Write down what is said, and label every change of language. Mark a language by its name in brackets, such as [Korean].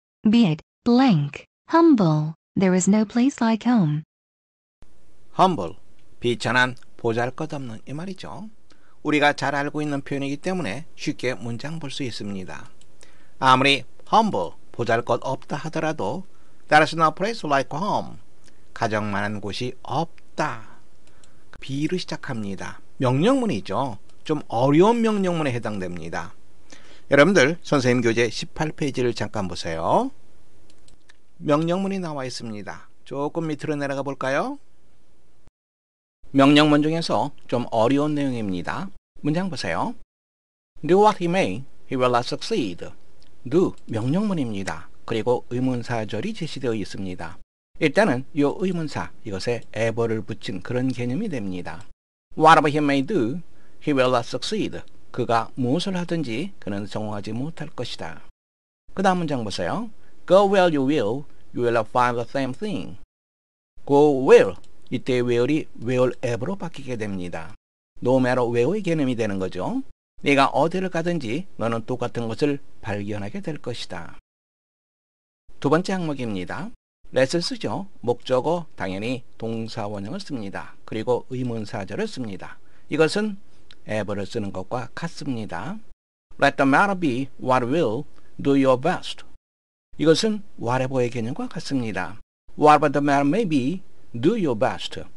[English] Be it blank humble there is no place like home. [Korean] humble 비천한, 보잘것없는 이 말이죠. 우리가 잘 알고 있는 표현이기 때문에 쉽게 문장 볼 수 있습니다. 아무리 [English] humble, [Korean] 보잘것없다 하더라도 [English] There is no place like home. [Korean] 가정만한 곳이 없다. be로 시작합니다. 명령문이죠. 좀 어려운 명령문에 해당됩니다. 여러분들, 선생님 교재 18페이지를 잠깐 보세요. 명령문이 나와 있습니다. 조금 밑으로 내려가 볼까요? 명령문 중에서 좀 어려운 내용입니다. 문장 보세요. [English] Do what he may, he will not succeed. [Korean] Do, 명령문입니다. 그리고 의문사절이 제시되어 있습니다. 일단은 이 의문사, 이것에 ever를 붙인 그런 개념이 됩니다. [English] Whatever he may do, he will not succeed. [Korean] 그가 무엇을 하든지 그는 성공하지 못할 것이다. 그 다음 문장 보세요. [English] Go where you will not find the same thing. Go where. [Korean] 이때 will이 will ever로 바뀌게 됩니다. [English] No matter where [Korean] 의 개념이 되는 거죠. 네가 어디를 가든지 너는 똑같은 것을 발견하게 될 것이다. 두 번째 항목입니다. let을 쓰죠. 목적어 당연히 동사원형을 씁니다. 그리고 의문사절을 씁니다. 이것은 ever를 쓰는 것과 같습니다. [English] let the matter be what will do your best. [Korean] 이것은 whatever의 개념과 같습니다. [English] whatever the matter may be Do your best.